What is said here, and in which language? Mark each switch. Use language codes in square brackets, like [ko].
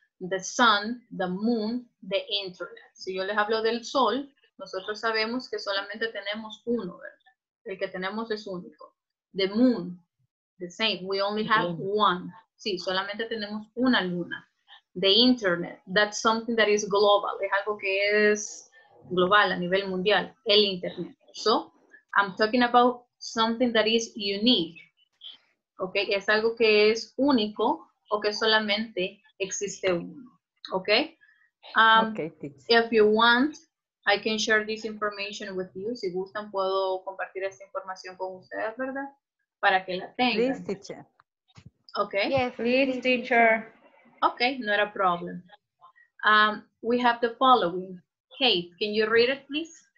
[en] The sun, the moon, the internet. [es] Si yo les hablo del sol, nosotros sabemos que solamente tenemos uno, ¿verdad? El que tenemos es único. [en] The moon. The same, we only have one. [es] Sí, solamente tenemos una luna. [en] The internet, that's something that is global. [es] Es algo que es global, a nivel mundial, el internet. [en] So, I'm talking about something that is unique. [es] Okay, es algo que es único o que solamente existe uno. [en] Okay? Okay, thanks. If you want, I can share this information with you. [es] Si gustan, puedo compartir esta información con ustedes, ¿verdad? Para que la tengan. [en] Please, teacher. Okay. Yes, please, teacher. Okay, not a problem. We have the following. Kate, can you read it, please?